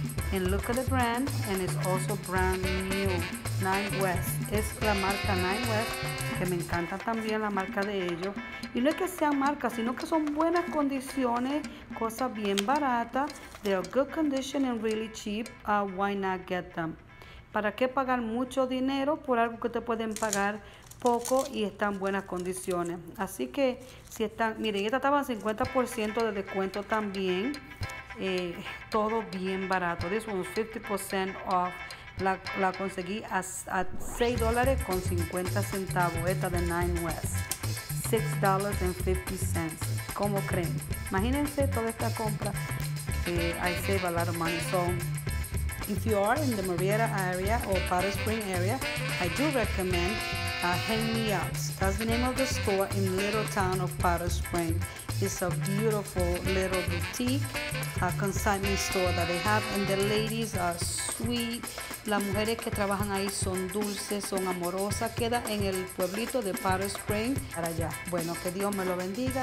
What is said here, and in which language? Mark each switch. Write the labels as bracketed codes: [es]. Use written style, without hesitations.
[en] And look at the brand, and it's also brand new. Nine West. [es] Es la marca Nine West, que me encanta también la marca de ellos. Y no es que sean marcas, sino que son buenas condiciones, cosas bien baratas. [en] They are good condition and really cheap. Why not get them? [es] ¿Para qué pagar mucho dinero por algo que te pueden pagar poco y están buenas condiciones? Así que si están, miren, esta estaba en 50% de descuento también. Todo bien barato. [en] This one 50% off. [es] La conseguí a $6.50. Esta de Nine West. $6.50. ¿Cómo creen? Imagínense toda esta compra. [en] I save a lot of money. So, if you are in the Marietta area or Powder Spring area, I do recommend Hang Me Up. That's the name of the store in little town of Powder Spring. It's a beautiful little boutique, a consignment store that they have, and the ladies are sweet. [es] Las mujeres que trabajan ahí son dulces, son amorosas. Queda en el pueblito de Powder Spring, para allá. Bueno, que Dios me lo bendiga.